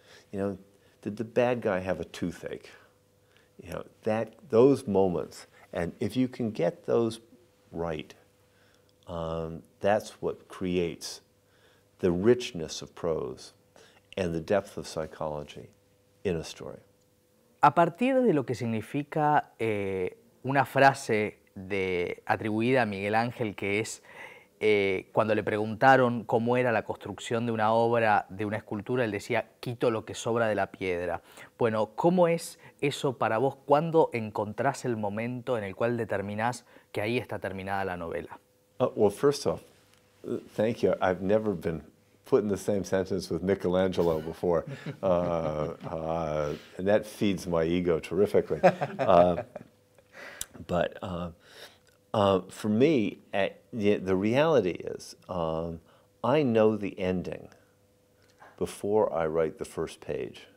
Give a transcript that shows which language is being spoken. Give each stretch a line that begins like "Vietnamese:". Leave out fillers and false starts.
English: You know, did the bad guy have a toothache? You know, those moments, and if you can get those right, that's what creates the richness of prose and the depth of psychology in a story.
Spanish: A partir de lo que significa una frase de atribuida a Miguel Ángel, que es cuando le preguntaron cómo era la construcción de una obra, de una escultura, él decía, quito lo que sobra de la piedra. Bueno, ¿cómo es eso para vos? ¿Cuándo encontrás el momento en el cual determinás que ahí está terminada la novela?
English: Well, first off, thank you. I've never been put in the same sentence with Michelangelo before. And that feeds my ego terrifically. For me, the reality is, I know the ending before I write the first page.